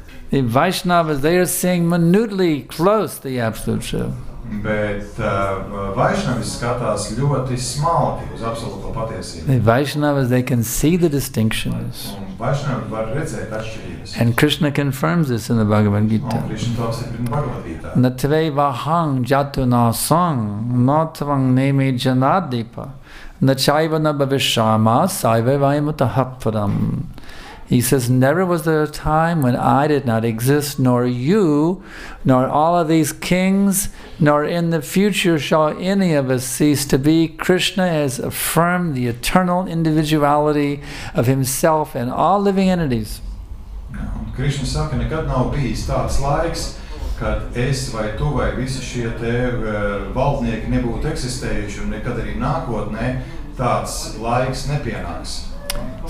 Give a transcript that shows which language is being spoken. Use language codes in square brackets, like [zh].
[en] The Vaishnavas, they are seeing minutely close the absolute truth. [lv] Bet Vaishnavas skatās ļoti smalki uz absolūto patiesību. [en] The Vaishnavas, they can see the distinctions. [lv] Un Vaishnavas var redzēt atšķirības. [en] And Krishna confirms this in the Bhagavad Gita. [lv] Un Krishna to apstiprina Bhagavad Gita. [sa] Natvei vahang jatu na sang, natvang nemi janadipa, nachaiva na bhavishama saiva vayamuta hapuram. [en] He says, never was there a time when I did not exist, nor you, nor all of these kings, nor in the future shall any of us cease to be. Krishna has affirmed the eternal individuality of himself and all living entities. [lv] Krishna saka, nekad nav bijis tāds laiks, kad es vai tu vai visi šie te valdnieki nebūtu eksistējuši, un nekad arī nākotnē tāds laiks nepienāks.